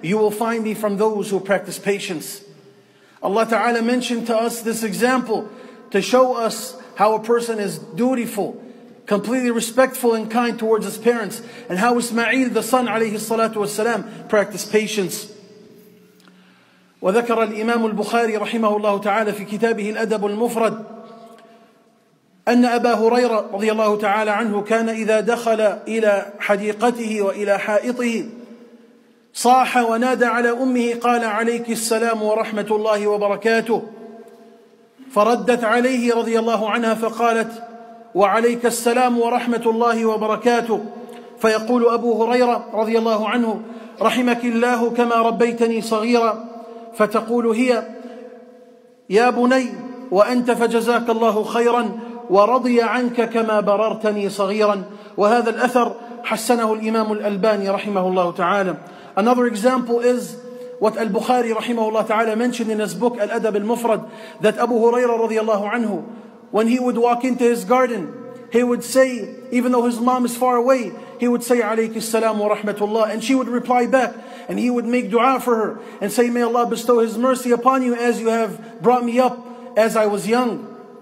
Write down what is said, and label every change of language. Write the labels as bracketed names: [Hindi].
[English] You will find me from those who practice patience. Allah ta'ala mentioned to us this example to show us how a person is dutiful, completely respectful and kind towards his parents, and how Ismail, the son, alayhi salatu wasalam, practiced patience. [Arabic] وذكر الإمام البخاري رحمه الله تعالى في كتابه الأدب المفرد أن أبا هريرة رضي الله تعالى عنه كان إذا دخل إلى حديقته وإلى حائطه صاح ونادى على أمه قال: عليك السلام ورحمة الله وبركاته. فردت عليه رضي الله عنها فقالت: وعليك السلام ورحمة الله وبركاته. فيقول أبو هريرة رضي الله عنه: رحمك الله كما ربيتني صغيرا. فتقول هي: يا بني وأنت فجزاك الله خيرا، ورضي عنك كما بررتني صغيرا. وهذا الأثر حسنه الإمام الألباني رحمه الله تعالى. [English] Another example is what Al-Bukhari [Arabic] رحمه الله تعالى [English] mentioned in his book Al-Adab Al-Mufrad, that Abu Huraira [Arabic] رضي الله عنه, [English] when he would walk into his garden, he would say, even though his mom is far away, he would say, [Arabic] عَلَيْكِ السَّلَامُ وَرَحْمَةُ اللَّهِ, [English] and she would reply back, and he would make dua for her, and say, may Allah bestow His mercy upon you as you have brought me up as I was young.